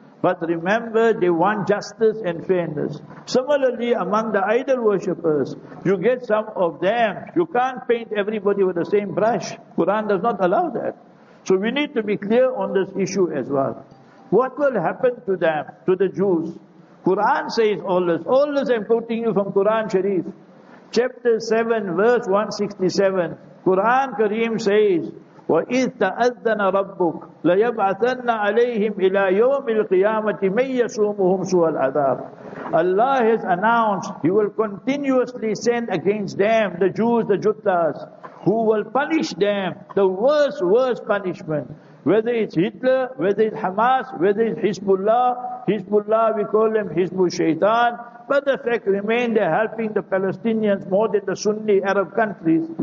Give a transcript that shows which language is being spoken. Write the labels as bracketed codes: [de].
[en] But remember, they want justice and fairness. Similarly, among the idol worshippers, you get some of them. You can't paint everybody with the same brush. Quran does not allow that. So we need to be clear on this issue as well. What will happen to them, to the Jews? Quran says all this. All this I'm quoting you from Quran Sharif. Chapter 7, verse 167. Quran Kareem says, [ar] وَإِذْ تَأَذَّنَ رَبُّكَ لَيَبْعَثَنَّ عَلَيْهِمْ إِلَىٰ يَوْمِ الْقِيَامَةِ مَنْ يَسُومُهُمْ سُوَ الْعَذَابِ. [en] Allah has announced, He will continuously send against them, the Jews, the Juttas, who will punish them, the worst punishment. Whether it's Hitler, whether it's Hamas, whether it's Hezbollah, we call them Hezbollah Shaitan, but the fact remains they're helping the Palestinians more than the Sunni Arab countries.